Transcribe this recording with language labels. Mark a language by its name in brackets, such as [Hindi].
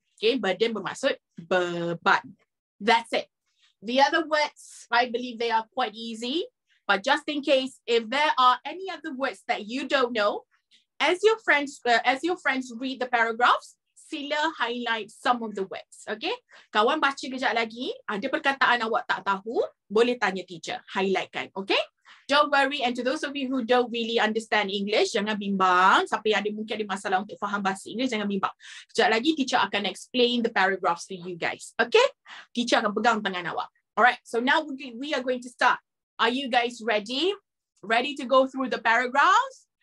[English] Okay, burden [Malay] bermaksud beban. [English] That's it. The other words, I believe they are quite easy. But just in case, if there are any other words that you don't know, as your friends read the paragraphs, sila highlight some of the words. [Malay] Okay? Kawan baca kejap lagi. Ada perkataan awak tak tahu, boleh tanya teacher. [English] Highlightkan. Okay? Don't worry. And to those of you who don't really understand English, [Malay] jangan bimbang. Siapa yang ada mungkin ada masalah untuk faham bahasa Inggeris, jangan bimbang. Sekejap lagi, teacher akan [English] explain the paragraphs to you guys. [Malay] Okay? Teacher akan pegang tangan awak. [English] Alright. So now we are going to start. Are you guys ready? Ready to go through the paragraphs?